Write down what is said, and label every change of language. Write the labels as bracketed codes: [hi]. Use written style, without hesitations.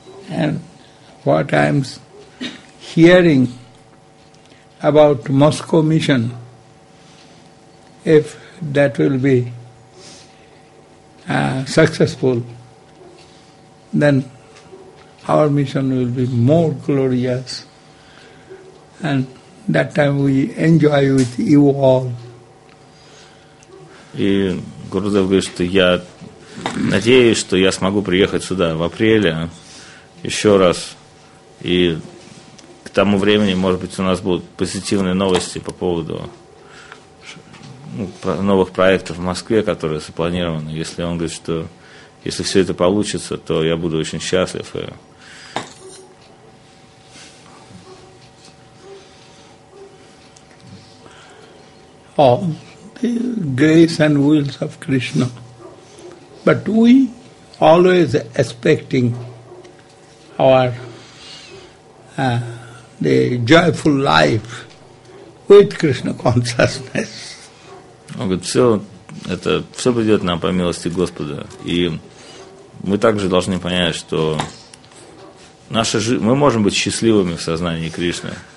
[en] And what I'm hearing about Moscow mission, if that will be successful, then our mission will be more glorious, and that time we enjoy with you all. [ru] И Гурудев говорит, что я надеюсь, что я смогу приехать сюда в апреле еще раз, и к тому времени, может быть, у нас будут позитивные новости по поводу новых проектов в Москве, которые запланированы. Если он говорит, что если все это получится, то я буду очень счастлив. [en] All the grace and wills of Krishna. But we always expecting our the joyful life with Krishna consciousness. [ru] Он говорит, все придет нам по милости Господа. И мы также должны понять, что мы можем быть счастливыми в сознании Кришны.